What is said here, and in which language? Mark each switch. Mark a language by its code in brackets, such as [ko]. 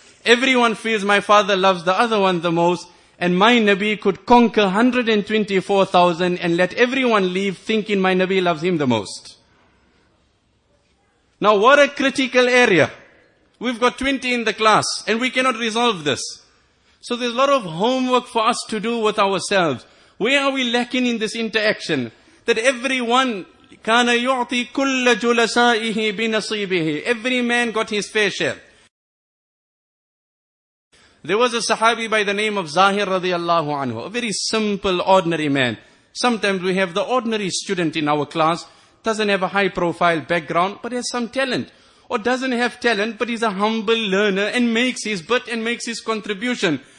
[en] Everyone feels my father loves the other one the most, and my Nabi could conquer 124,000 and let everyone leave thinking my Nabi loves him the most. Now what a critical area. We've got 20 in the class, and we cannot resolve this. So there's a lot of homework for us to do with ourselves. Where are we lacking in this interaction? That everyone [ar] كان يعطي كل جلسائه بنصيبه. [en] Every man got his fair share. There was a Sahabi by the name of Zahir radiallahu anhu, a very simple, ordinary man. Sometimes we have the ordinary student in our class, doesn't have a high profile background, but has some talent. Or doesn't have talent, but is a humble learner and makes his bit and makes his contribution.